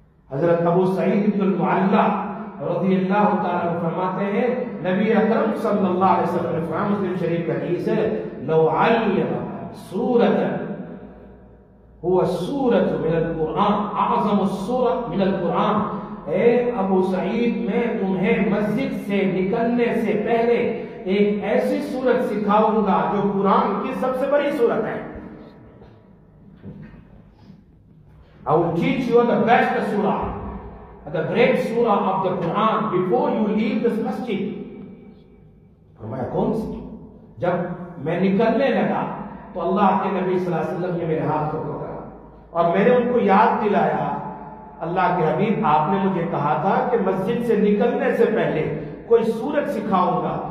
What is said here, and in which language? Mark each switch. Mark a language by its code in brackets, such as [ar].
[ur] حضرت ابو سعید المعلہ رضی اللہ تعالیٰ فرماتے ہیں، نبی اکرم صلی اللہ علیہ وسلم نے فرمایا، مسلم شریف کی حدیث ہے، [ar] لو علم سورۃ هو سورة من القرآن [ur] اعظم السورة من القرآن. اے ابو سعید، میں تمہیں مسجد سے نکلنے سے پہلے ایک ایسی سورت سکھاؤں گا جو قرآن کی سب سے بڑی سورت ہے. [en] I will teach you the best surah, the great surah of the Quran before you leave this masjid. [ur] فرمایا کون سی؟ جب میں نکلنے لگا تو اللہ کے نبی صلی اللہ علیہ وسلم نے میرے ہاتھ کو پکڑا اور میں نے ان کو یاد دلایا، اللہ کے حبیب، آپ نے مجھے کہا تھا کہ مسجد سے نکلنے سے پہلے کوئی سورت سکھاؤں گا.